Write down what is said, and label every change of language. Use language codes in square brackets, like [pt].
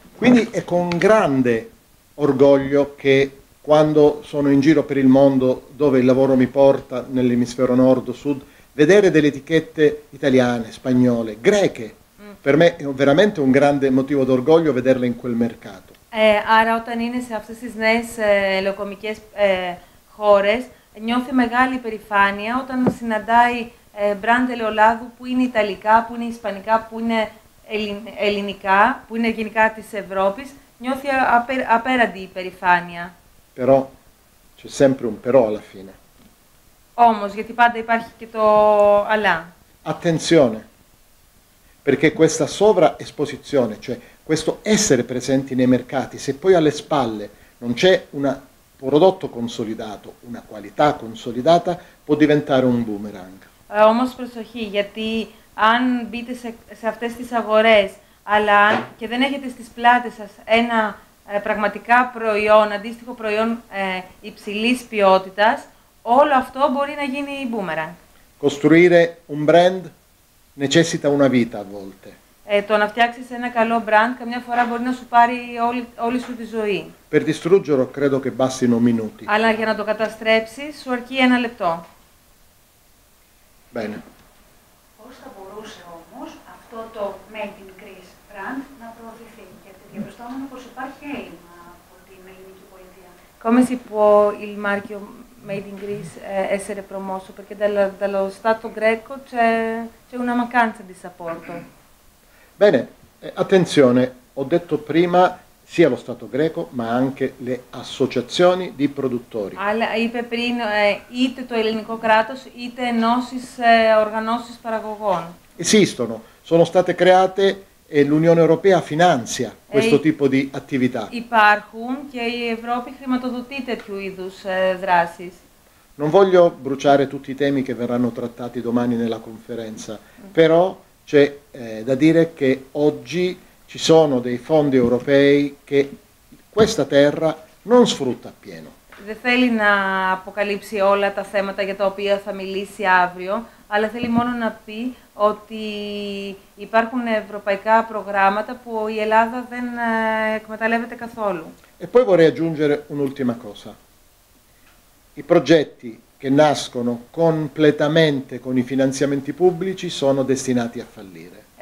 [it] Quindi è con grande orgoglio che quando sono in giro per il mondo dove il lavoro mi porta nell'emisfero nord o sud vedere delle etichette italiane, spagnole, greche per me è veramente un grande motivo d'orgoglio vederle in quel mercato. [el] Άρα όταν είναι σε αυτές τις νέες ελαιοκομικές χώρες νιώθει μεγάλη περηφάνεια όταν συναντάει μπραντ ελαιολάδου που είναι ιταλικά, που είναι ισπανικά, που είναι ελληνικά, που είναι γενικά της Ευρώπης. Νιώθει απέραντη υπερηφάνεια. [it] Però c'è sempre un però alla fine. [el] Όμως, γιατί πάντα υπάρχει και το αλλά. [it] Attenzione, perché questa sovraesposizione, cioè questo essere presenti nei mercati, se poi alle spalle non c'è un prodotto consolidato, una qualità consolidata, può diventare un boomerang. [el] Όμως προσοχή, γιατί αν μπείτε σε αυτές τις αγορές αλλά και δεν έχετε στις πλάτες σας ένα πραγματικά προϊόν, αντίστοιχο προϊόν υψηλής ποιότητας, όλο αυτό μπορεί να γίνει boomerang. [it] Costruire un brand necessita una vita a volte. [el] Το να φτιάξεις ένα καλό brand καμιά φορά μπορεί να σου πάρει όλη σου τη ζωή. [it] Per distruggerlo credo che bastino minuti. [el] Αλλά για να το καταστρέψεις σου αρκεί ένα λεπτό. [it] Bene. [el] Πώς θα μπορούσε όμως αυτό το Made in Greece brand να προωθηθεί, γιατί διαπιστώνουμε πως υπάρχει έλλειμμα από την ελληνική πολιτεία. [it] Come si può il marchio Made in Greece essere promosso? Perché dallo Stato greco c'è una mancanza di supporto. Bene, attenzione, ho detto prima sia lo Stato greco ma anche le associazioni di produttori. [el] Alla είπε πριν, είτε το ελληνικό κράτος είτε ενώσεις οργανώσεις παραγωγών. [it] Esistono, sono state create e l'Unione Europea finanzia questo tipo di attività. [el] Υπάρχουν και η Ευρώπη χρηματοδοτεί τέτοιου είδους δράσεις. [it] Non voglio bruciare tutti i temi che verranno trattati domani nella conferenza, però c'è da dire che oggi ci sono dei fondi europei che questa terra non sfrutta appieno. [el] Δεν θέλει να αποκαλύψει όλα τα θέματα για τα οποία θα μιλήσει αύριο, αλλά θέλει μόνο να πει ότι υπάρχουν ευρωπαϊκά προγράμματα που η Ελλάδα δεν εκμεταλλεύεται καθόλου. [it] E poi vorrei aggiungere un'ultima cosa. I progetti che nascono completamente con i finanziamenti pubblici sono destinati a fallire.